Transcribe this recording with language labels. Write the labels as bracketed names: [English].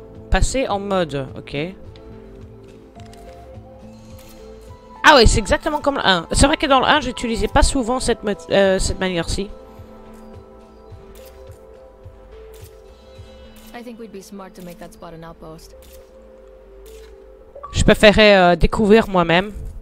[French] Passer en mode, ok. Ah oui, c'est exactement comme le 1. C'est vrai que dans le 1, j'utilisais pas souvent cette manière-ci. [English] I think we'd be smart to make that spot an outpost. [French] Je préférais découvrir moi-même.